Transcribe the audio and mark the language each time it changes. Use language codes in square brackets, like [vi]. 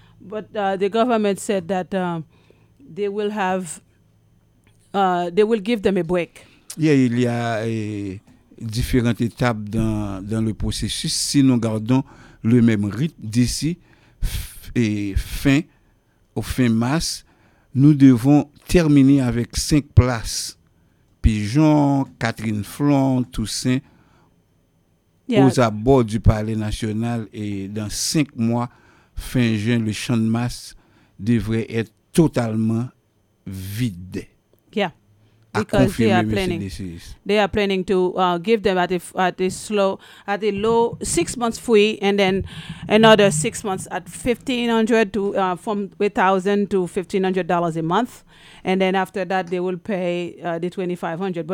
[en] But the government said that they will give them a break. [fr] Yeah, il y a différentes étapes dans le processus. Si nous gardons le même rythme d'ici fin au fin mars, nous devons terminer avec 5 places. Pigeon, Catherine Flon, Toussaint, yeah. aux abords du Palais National. Et dans 5 mois, fin juin, le champ de mars devrait être totalement vide. Yeah. [en] Because they are planning to give them at a low 6 months free, and then another 6 months at $1,500 a month, and then after that they will pay the $2,500.